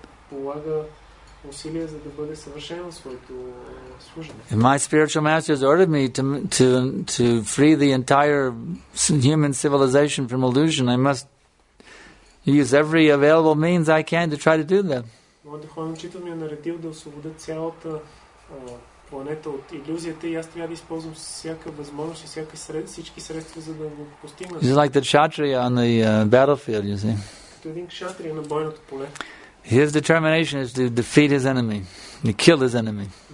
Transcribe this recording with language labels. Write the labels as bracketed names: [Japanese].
[Bulgarian] Полага усилия, за да бъде съвършен в своето служение. [English] If my spiritual master has ordered me to free the entire human civilization from illusion, I must use every available means I can to try to do that. [Bulgarian] Моят духовен учител ми е наредил да освободя цялата планета от илюзията и аз трябва да използвам всяка възможност и всички средства, за да го постигна. [English] It's like the kshatriya on the battlefield, you see. [Bulgarian] Като един кшатрия на бойното поле. [English] His determination is to defeat his enemy, to kill his enemy.